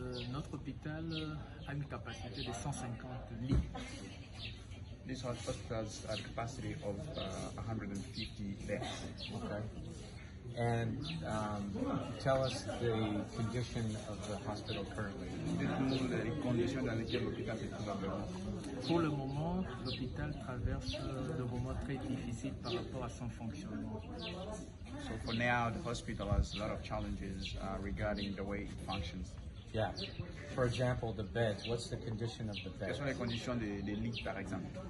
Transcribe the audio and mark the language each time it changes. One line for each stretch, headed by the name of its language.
French: Notre hôpital a une capacité de 150 lits.
English: This hospital has a capacity of 150 beds. Okay. And tell us the condition of the hospital currently.
French: Dites-nous les conditions dans lesquelles l'hôpital se trouve actuellement. Pour le moment, l'hôpital traverse des moments très difficiles par rapport à son fonctionnement.
English: So for now, the hospital has a lot of challenges regarding the way it functions. Yeah. For example, the beds. What's the condition of the beds?
French: Quelles sont les conditions des lits, par exemple?